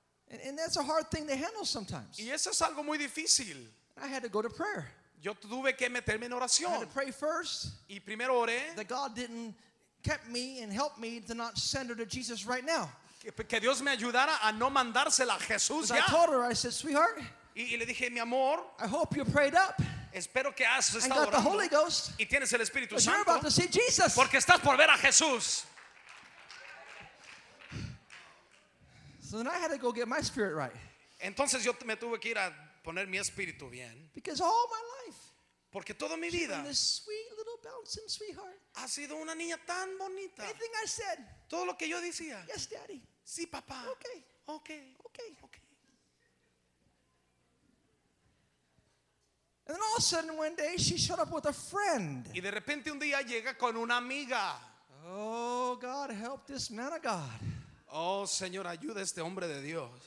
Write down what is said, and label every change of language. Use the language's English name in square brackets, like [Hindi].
[English] And that's a hard thing to handle sometimes. [Spanish] Y eso es algo muy difícil. [English] I had to go to prayer. [Spanish] Yo tuve que meterme en oración. [English] I had to pray first. [Spanish] Y primero oré. [English] That God didn't kept me and helped me to not send her to Jesus right now. [Spanish] Que Dios me ayudara a no mandársela a Jesús ya. [English] I told her, I said, sweetheart. [Spanish] Y le dije, mi amor. [English] I hope you prayed up. [Spanish] Espero que has estado orando. [English] I got the Holy Ghost. [Spanish] Y tienes el Espíritu Santo. [English] You're about to see Jesus. [Spanish] Porque estás por ver a Jesús. [English] So then I had to go get my spirit right. [Spanish] Entonces yo me tuve que ir a poner mi espíritu bien. [English] Because all my life. [Spanish] Porque toda mi vida. [English] She's been this sweet little bouncing sweetheart. [Spanish] Ha sido una niña tan bonita. [English] Everything I said. [Spanish] Todo lo que yo decía. [English] Yes, daddy. [Spanish] Sí, papá. [English] Okay. Okay. Okay. Okay. And then all of a sudden one day she showed up with a friend. [Spanish] Y de repente un día llega con una amiga. [English] Oh, God, help this man of God. [Spanish] Oh, Señor, ayuda a este hombre de Dios.